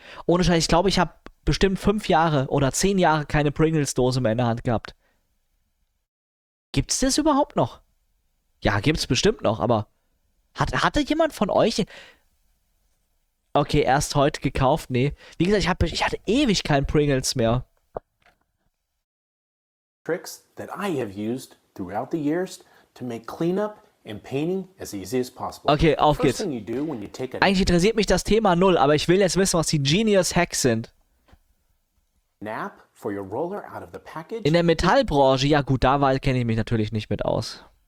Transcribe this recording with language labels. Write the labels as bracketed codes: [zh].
[de] Ohne Scheiß, ich glaube, ich habe bestimmt 5 Jahre oder 10 Jahre keine Pringles-Dose mehr in der Hand gehabt. Gibt's das überhaupt noch? Ja, gibt's bestimmt noch, aber hatte jemand von euch? Okay, erst heute gekauft, nee. Wie gesagt, ich hatte ewig keinen Pringles mehr. [en] Tricks that I have used throughout the years to make cleanup and painting as easy as possible. [de] Okay, auf geht's. Eigentlich interessiert mich das Thema null, aber ich will jetzt wissen, was die Genius Hacks sind. [en] Nap. For your roller out of the package. [de] In der Metallbranche, ja gut, da kenne ich mich natürlich nicht mit aus.